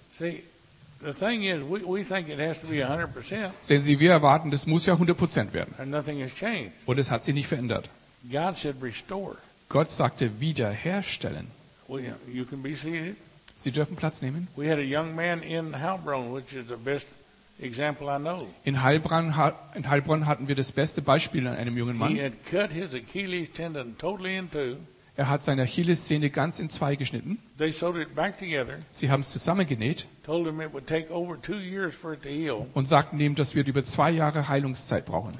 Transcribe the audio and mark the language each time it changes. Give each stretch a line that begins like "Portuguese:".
English: The thing is, we think it has to be 100%.
German: Sehen Sie, wir erwarten, das muss ja 100% werden.
English: And nothing has changed.
German: Und es hat sich nicht verändert.
English: God said restore.
German: Gott sagte wiederherstellen.
English: You can be seated.
German: Sie dürfen Platz nehmen.
English: We had a young man in Heilbronn, which is the best example I know.
German: In Heilbronn hatten wir das beste Beispiel an einem jungen Mann.
English: He had cut his Achilles tendon totally in two.
German: Er hat seine Achillessehne ganz in zwei geschnitten.
English: They sewed it back together.
German: Sie haben es zusammengenäht.
English: Told him it would take over 2 years for it to heal.
German: Und sagten ihm, das wird über 2 Jahre Heilungszeit brauchen.